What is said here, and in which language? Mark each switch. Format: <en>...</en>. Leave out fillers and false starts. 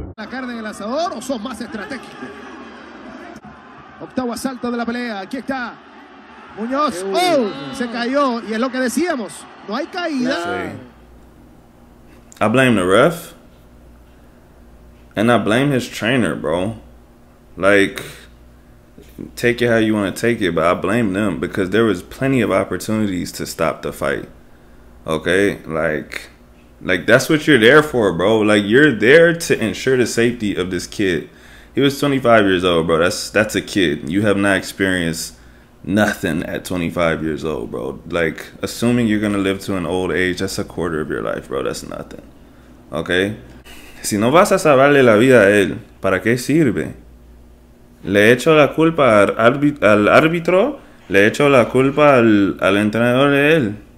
<es>Carne en el asador o son más estratégicos. Octavo asalto de la pelea, aquí está Muñoz. Oh, oh, se cayó y es lo que decíamos, no hay caída.</es> <en>I blame the ref and I blame his trainer, bro. Like, take it how you want to take it, but I blame them because there was plenty of opportunities to stop the fight. Okay, like that's what you're there for, bro. Like, you're there to ensure the safety of this kid. He was 25 years old, bro. That's a kid. You have not experienced nothing at 25 years old, bro. Like, assuming you're gonna live to an old age, that's a quarter of your life, bro. That's nothing. Okay?</en> <es>Si no vas a salvarle la vida a él, ¿para qué sirve? Le echo la culpa al árbitro, le echo la culpa al entrenador de él.</es>